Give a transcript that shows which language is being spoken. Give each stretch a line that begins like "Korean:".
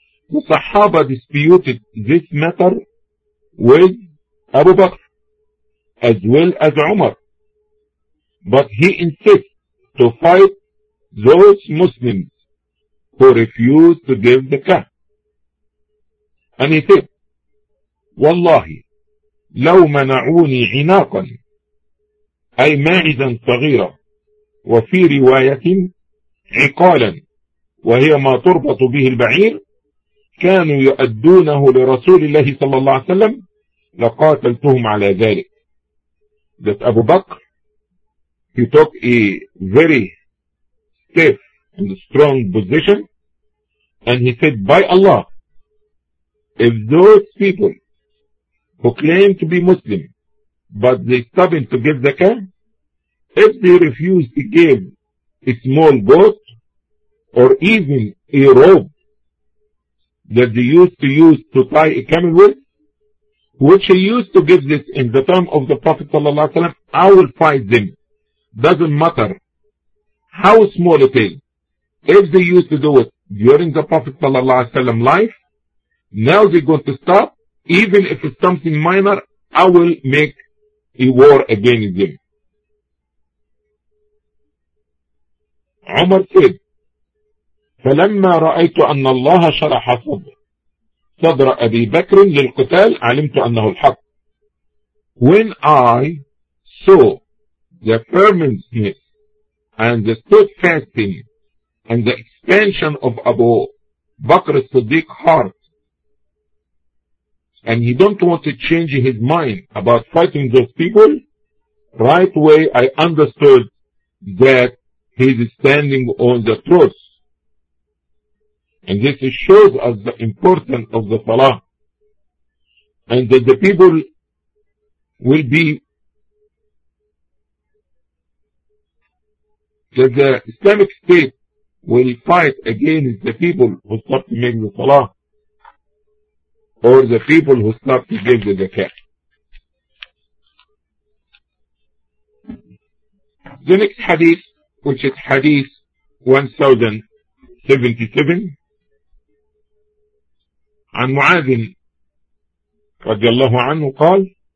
English: The Sahaba disputed this matter with Abu Bakr as well as Umar, but he insisted to fight those Muslims who refused to give the zakah.
Arabic: أنفق، والله لو منعوني عناقا، أي ماعزا صغيرة، وفي رواية عقالا وهي ما تربط به البعير، كانوا يؤدونه لرسول الله صلى الله عليه وسلم لقاتلتهم على ذلك.
English: That Abu Bakr, he took a very stiff and strong position and he said, by Allah, if those people who claim to be Muslim but they stubborn to give zakah, if they refuse to give a small goat or even a rope that they used to use to tie a camel with, which he used to give this in the time of the Prophet sallallahu alaihi wasallam, I will fight them. Doesn't matter how small it is. If they used to do it during the Prophet sallallahu alaihi wasallam life, now they're going to stop. Even if it's something minor, I will make a war against them.
Arabic: عمر said, فلما رأيت أن الله شرح صدر أبي بكر للقتال علمت أنه الحق.
English: When I saw the firmness and the steadfastness and the expansion of Abu Bakr al-Siddiq heart, and he don't want to change his mind about fighting those people, right away I understood that he's standing on the truth. And this shows us the importance of the Salah, and that the people will be, that the Islamic State will fight against the people who start to make the Salah, or the people who start to give the zakah. The next hadith, which is hadith 1077,
Arabic: عن معاذ رضي الله عنه قال